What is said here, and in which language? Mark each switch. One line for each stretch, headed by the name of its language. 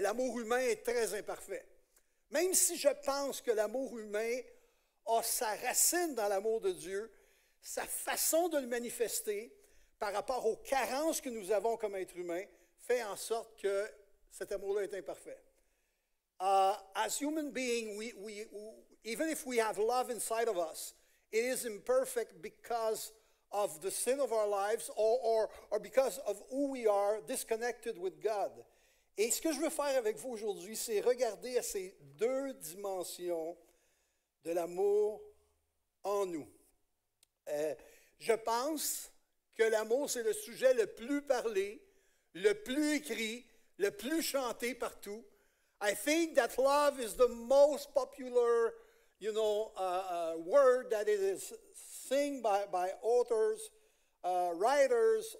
French: L'amour humain est très imparfait. Même si je pense que l'amour humain a sa racine dans l'amour de Dieu, sa façon de le manifester par rapport aux carences que nous avons comme être humain fait en sorte que cet amour-là est imparfait.
English: As human beings, even if we have love inside of us, it is imperfect because of the sin of our lives or because of who we are disconnected with God.
French: Et ce que je veux faire avec vous aujourd'hui, c'est regarder à ces deux dimensions de l'amour en nous. Je pense que l'amour, c'est le sujet le plus parlé, le plus écrit, le plus chanté partout.
English: I think that love is the most popular, you know, word that it is sing by authors, writers.